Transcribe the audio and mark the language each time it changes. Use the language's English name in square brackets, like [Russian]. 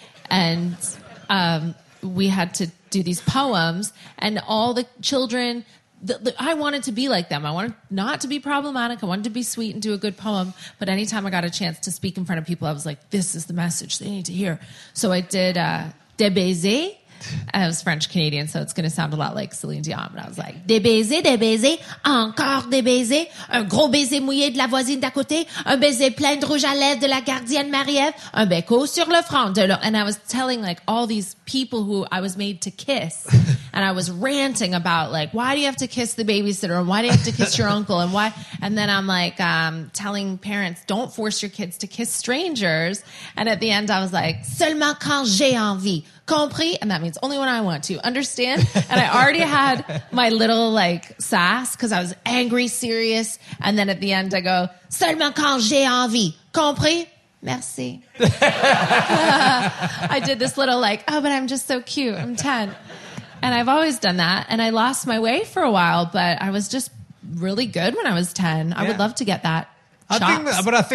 [English] And we had to do these poems, and all the children... I wanted to be like them. I wanted not to be problematic. I wanted to be sweet and do a good poem. But anytime I got a chance to speak in front of people, I was like, this is the message they need to hear. So I did De Baiser. I was French-Canadian, so it's going to sound a lot like Celine Dion. But I was like, [French] des baisers, encore des baisers, un gros baiser mouillé de la voisine d'à côté, un baiser plein de rouge à lèvres de la gardienne Marie-Ève, un béco sur le front. [English] And I was telling, like, all these people who I was made to kiss, and I was ranting about, like, why do you have to kiss the babysitter, and why do you have to kiss your uncle, and why? And then I'm, like, telling parents, don't force your kids to kiss strangers. And at the end, I was like, [French] seulement quand j'ai envie. Compris, [English] and that means only when I want to. Understand? And I already had my little, like, sass, because I was angry, serious. And then at the end, I go, [French] seulement quand j'ai envie. Compris? Merci. [English] I did this little, like, oh, but I'm just so cute. I'm 10. And I've always done that. And I lost my way for a while, but I was just really good when I was 10. Yeah. I would love to get that chops.